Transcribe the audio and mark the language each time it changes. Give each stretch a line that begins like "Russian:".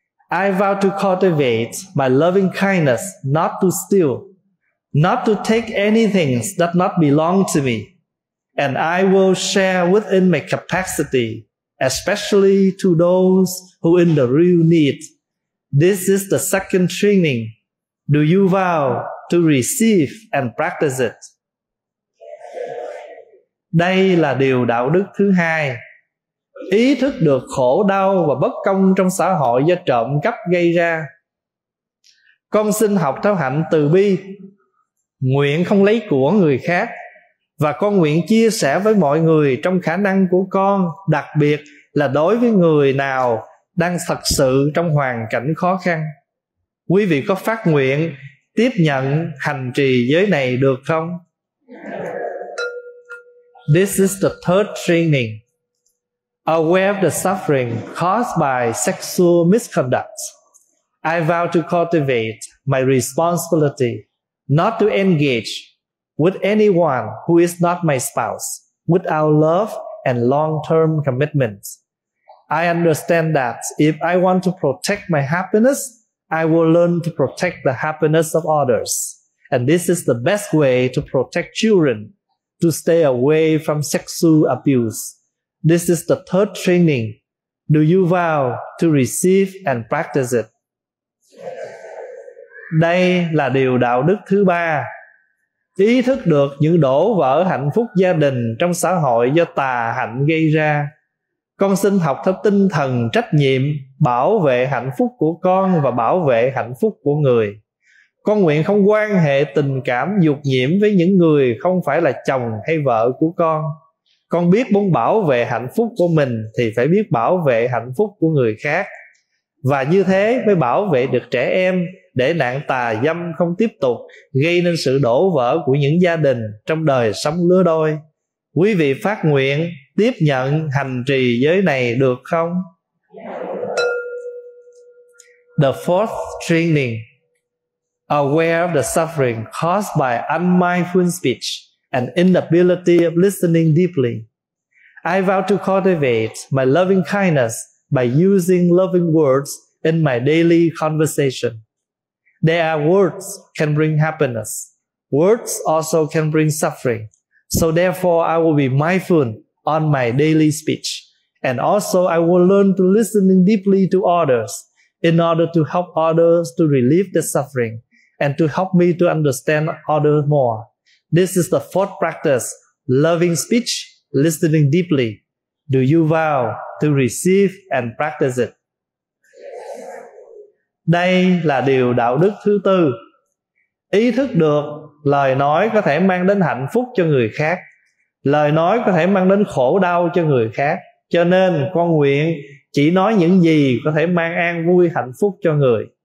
English: I vow to cultivate my loving kindness, not to steal, not to take anything that does not belong to me, and I will share within my capacity, especially to those who in the real need. This is the second training. Do you vow to receive and practice it?
Vietnamese: Đây là điều đạo đức thứ hai. Ý thức được khổ đau và bất công trong xã hội do trộm cắp gây ra. Con xin học theo hạnh từ bi, nguyện không lấy của người khác, và con nguyện chia sẻ với mọi người trong khả năng của con, đặc biệt là đối với người nào đang thật sự trong hoàn cảnh khó khăn. Quý vị có phát nguyện tiếp nhận hành trì giới này được không?
English: This is the third training. Aware of the suffering caused by sexual misconduct, I vow to cultivate my responsibility not to engage with anyone who is not my spouse without love and long-term commitment. I understand that if I want to protect my happiness, I will learn to protect the happiness of others. And this is the best way to protect children, to stay away from sexual abuse. This is the third training. Do you vow to receive and practice it?
Vietnamese: Đây là điều đạo đức thứ ba. Ý thức được những đổ vỡ hạnh phúc gia đình trong xã hội do tà hạnh gây ra. Con xin học theo tinh thần trách nhiệm bảo vệ hạnh phúc của con và bảo vệ hạnh phúc của người. Con nguyện không quan hệ tình cảm dục nhiễm với những người không phải là chồng hay vợ của con. Con biết muốn bảo vệ hạnh phúc của mình thì phải biết bảo vệ hạnh phúc của người khác. Và như thế mới bảo vệ được trẻ em để nạn tà dâm không tiếp tục gây nên sự đổ vỡ của những gia đình trong đời sống lứa đôi. Quý vị phát nguyện tiếp nhận hành trì giới này được không?
English: The fourth training. Aware of the suffering caused by unmindful speech and inability of listening deeply. I vow to cultivate my loving kindness by using loving words in my daily conversation. There are words can bring happiness. Words also can bring suffering. So therefore, I will be mindful on my daily speech. And also, I will learn to listen deeply to others in order to help others to relieve the suffering and to help me to understand others more. This is the fourth practice, loving speech, listening deeply. Do you vow to receive and practice it?
Vietnamese: Đây là điều đạo đức thứ tư. Ý thức được lời nói có thể mang đến hạnh phúc cho người khác, lời nói có thể mang đến khổ đau cho người khác, cho nên con nguyện chỉ nói những gì có thể mang an vui hạnh phúc cho người.